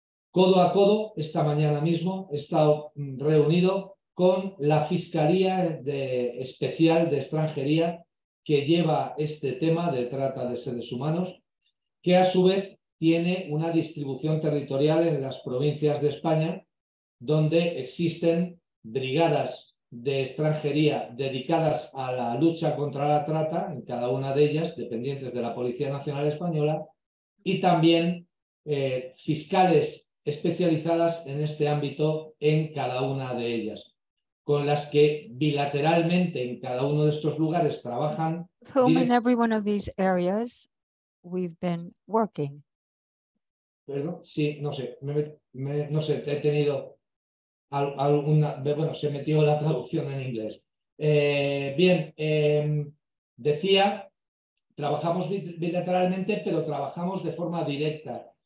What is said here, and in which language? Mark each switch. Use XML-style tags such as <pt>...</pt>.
<es>Codo a codo, esta mañana mismo he estado reunido con la Fiscalía Especial de Extranjería que lleva este tema de trata de seres humanos, que a su vez tiene una distribución territorial en las provincias de España donde existen brigadas de extranjería dedicadas a la lucha contra la trata, en cada una de ellas, dependientes de la Policía Nacional Española, y también fiscales especializadas en este ámbito en cada una de ellas, con las que bilateralmente en cada uno de estos lugares trabajan.</es> <en>Whom in every one of these areas we've been working.</en> <es>Perdón, sí, no sé, no sé, he tenido alguna, bueno, se metió la traducción en inglés. Decía, trabajamos bilateralmente, pero trabajamos de forma directa.</es>